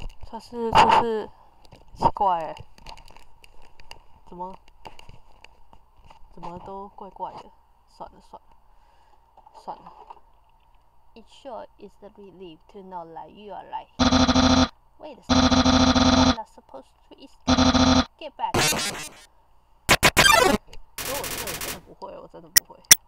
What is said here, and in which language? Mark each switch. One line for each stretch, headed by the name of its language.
Chinese: 可是奇怪欸，怎么都怪怪的，算了。
English: It sure is a relief to know that you are alive. Wait a second, I'm not supposed to escape. Get back.
Chinese: 我真的不会，我真的不会。